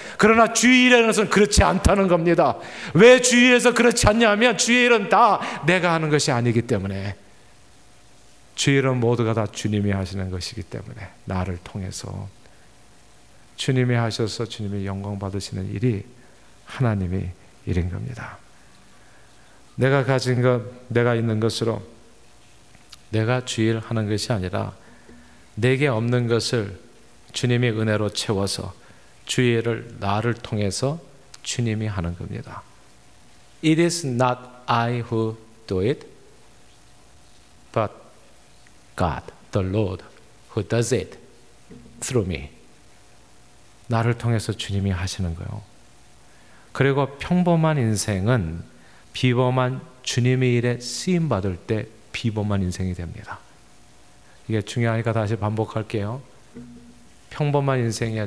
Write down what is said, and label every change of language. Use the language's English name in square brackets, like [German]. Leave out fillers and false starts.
[Korean] 그러나 주일에는 그렇지 않다는 겁니다. 왜 주일에서 그렇지 않냐면 주일은 다 내가 하는 것이 아니기 때문에, 주일은 모두가 다 주님이 하시는 것이기 때문에 나를 통해서 주님이 하셔서 주님이 영광 받으시는 일이 하나님의 일인 겁니다. 내가 가진 것, 내가 있는 것으로 내가 주일 하는 것이 아니라 내게 없는 것을 주님이 은혜로 채워서 주일을 나를 통해서 주님이 하는 겁니다. [English] It is not I who do it, but God, the Lord, who does it through me. [Korean] 나를 통해서 주님이 하시는 거예요. 그리고 평범한 인생은 비범한 주님의 일에 쓰임받을 때 비범한 인생이 됩니다. 이게 중요하니까 다시 반복할게요. 평범한 인생이야.